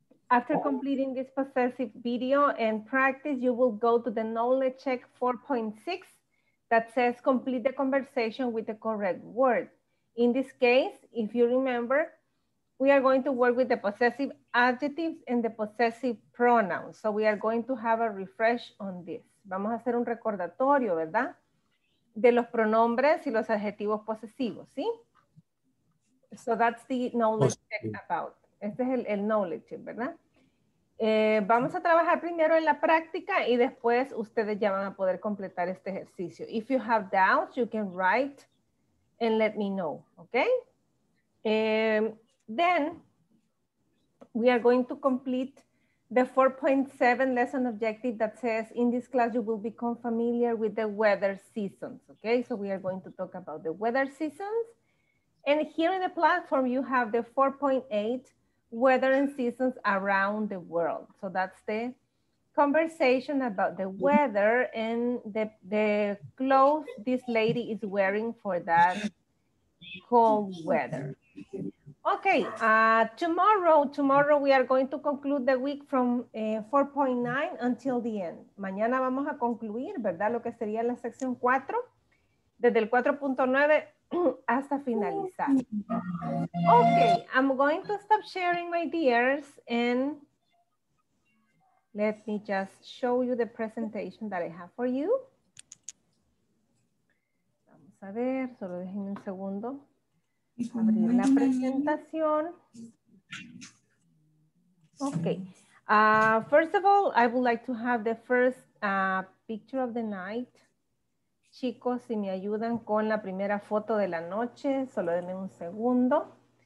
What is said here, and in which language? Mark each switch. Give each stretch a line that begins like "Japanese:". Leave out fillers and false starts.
English: After completing this possessive video and practice, you will go to the knowledge check 4.6 that says complete the conversation with the correct word. In this case, if you remember, we are going to work with the possessive adjectives and the possessive pronouns. So we are going to have a refresh on this.
Spanish: Vamos a hacer un recordatorio, ¿verdad? De los pronombres y los adjetivos posesivos, ¿sí?
English: So that's the knowledge check about.
Spanish: Este es el knowledge, ¿verdad? Vamos a trabajar primero en la práctica y después ustedes ya van a poder completar este ejercicio.
English: If you have doubts, you can write and let me know, okay? Then we are going to complete the 4.7 lesson objective that says in this class you will become familiar with the weather seasons, okay? So we are going to talk about the weather seasons. And here in the platform, you have the 4.8 weather and seasons around the world. So that's the conversation about the weather and the clothes this lady is wearing for that cold weather. Okay, tomorrow we are going to conclude the week from 4.9 until the end.
Spanish: Mañana vamos a concluir, ¿verdad? Lo que sería la sección 4, desde el 4.9 hasta finalizar.
English: Okay, I'm going to stop sharing my dears and let me just show you the presentation that I have for you.
Spanish: Vamos a ver, solo déjenme un segundo. Abrir la presentación.
English: Okay, first of all, I would like to have the first picture of the night.
Spanish: Chicos, si me ayudan con la primera foto de la noche, solo denme un segundo.